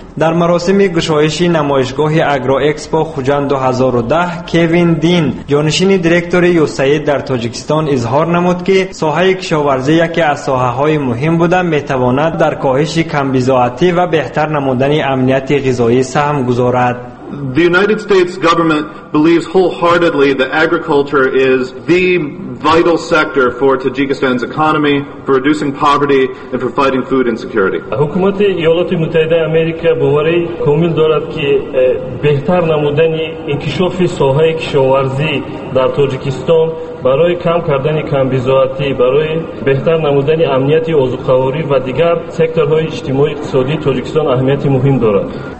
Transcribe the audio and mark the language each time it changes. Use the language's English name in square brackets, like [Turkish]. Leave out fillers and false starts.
[Persian] در مراسم گشایش نمایشگاه اگرو اکسپو خوجند 2010 کوین دین جانشین دایرکتور یوسعید در تاجیکستان اظهار نمود که ساحه کشاورزی یکی از ساحه‌های مهم بوده میتواند در کاهش کم بضاعتی و بهتر نمودن امنیت غذایی سهم گذارد. [English] The United States government believes wholeheartedly that agriculture is the vital sector for Tajikistan's economy, for reducing poverty and for fighting food insecurity. [Persian] حکومت ایالات متحده آمریکا باوری کامل دارد که بهتر نمودن انکشاف ساحه کشاورزی در تاجیکستان برای کم کردن کم بضاعتی، برای بهتر نمودن امنیت آذوقه‌خوری و دیگر سکتورهای اجتماعی اقتصادی تاجیکستان اهمیت مهم دارد.